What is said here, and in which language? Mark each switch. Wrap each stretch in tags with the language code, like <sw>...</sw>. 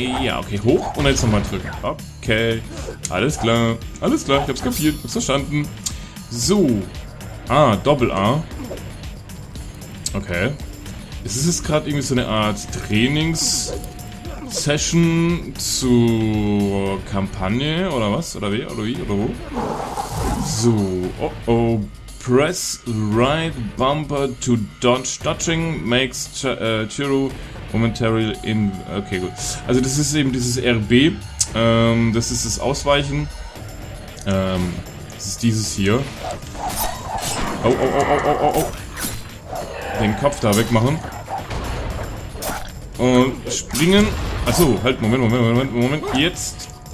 <de>Ja, okay, hoch und jetzt nochmal drücken. Okay, alles klar, ich hab's kapiert, hab's verstanden. So, ah, Doppel A. Okay. Es ist jetzt gerade irgendwie so eine Art Trainings-Session zur Kampagne oder was? Oder wie? Oder wie? Oder wo? So, oh oh.</de> <en>Press right bumper to dodge. Dodging makes Chiru momentarily in.</en> <de>Okay, gut. Also, das ist eben dieses RB. Das ist das Ausweichen. Das ist dieses hier. Oh, oh, oh, oh, oh, oh. Den Kopf da wegmachen. Und springen. Achso, halt, Moment. Jetzt.</de>